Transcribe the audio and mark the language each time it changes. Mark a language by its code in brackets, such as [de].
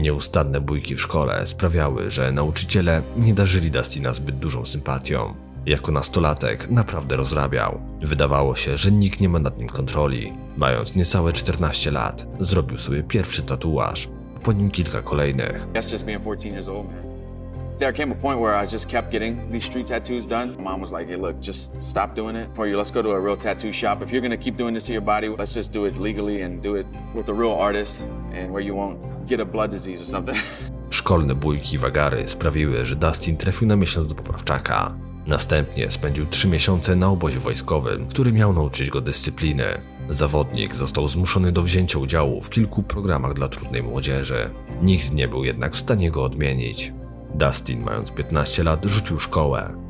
[pl] Nieustanne bójki w szkole sprawiały, że nauczyciele nie darzyli Dustina zbyt dużą sympatią. Jako nastolatek naprawdę rozrabiał. Wydawało się, że nikt nie ma nad nim kontroli. Mając niecałe 14 lat, zrobił sobie pierwszy tatuaż, a po nim kilka kolejnych. [en] That's just being 14 years old, man. There came a point where I just kept getting these street tattoos done. Mom was like, hey, look, just stop doing it for you. Let's go to a real tattoo shop. If you're gonna keep doing this to your body, let's just do it legally and do it with a real artist and where you won't get a blood disease or something. [pl] Szkolne bójki i wagary sprawiły, że Dustin trafił na miesiąc do poprawczaka. Następnie spędził 3 miesiące na obozie wojskowym, który miał nauczyć go dyscypliny. Zawodnik został zmuszony do wzięcia udziału w kilku programach dla trudnej młodzieży. Nikt nie był jednak w stanie go odmienić. Dustin, mając 15 lat, rzucił szkołę.